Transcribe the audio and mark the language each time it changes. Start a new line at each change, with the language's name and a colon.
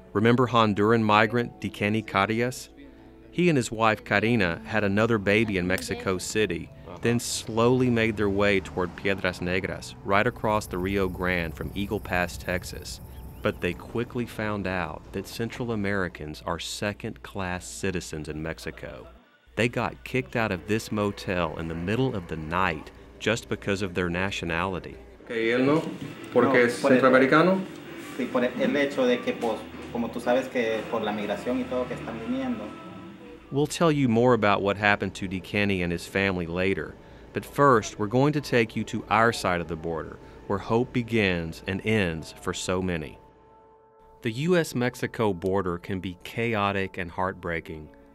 English: Remember Honduran migrant Dekeni Carias? He and his wife Karina had another baby in Mexico City, then slowly made their way toward Piedras Negras, right across the Rio Grande from Eagle Pass, Texas. But they quickly found out that Central Americans are second-class citizens in Mexico. They got kicked out of this motel in the middle of the night just because of their nationality.
Spanish: Okay, él no, porque es centroamericano. Sí, por el hecho de que pues. Como tú sabes que por la migración y todo que están viniendo.
English: We'll tell you more about what happened to Dekeni and his family later. But first, we're going to take you to our side of the border, where hope begins and ends for so many. The U.S.-Mexico border can be chaotic and heartbreaking.